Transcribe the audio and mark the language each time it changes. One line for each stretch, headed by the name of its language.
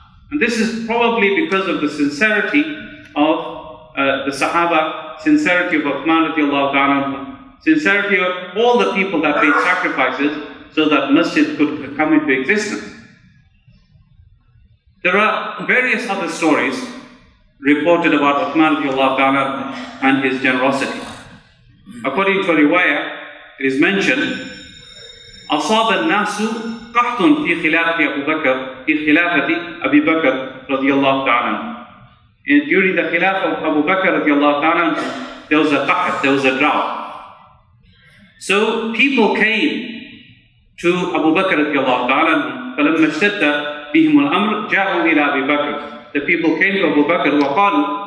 English: And this is probably because of the sincerity of the Sahaba, sincerity of Uthman radiallahu ta'ala, sincerity of all the people that made sacrifices so that masjid could come into existence. There are various other stories reported about Uthman radiallahu ta'ala and his generosity. According to a riwayah, it is mentioned,
Arabic: أصاب الناس قحط في خلافة أبو بكر في خلافة أبي بكر radiallahu ta'ala.
English: And during the Khilaf of Abu Bakr radiallahu ta'ala, there was a qahat, there was a drought. So people came to Abu Bakr radiallahu ta'ala,
Arabic: فَلَمَّ اشْتَدَّ بِهِمُ الْأَمْرُ جَاءُوا إِلَىٰ أَبِي بَكْرٍ
English: The people came to Abu Bakr
Arabic: وَقَالُوا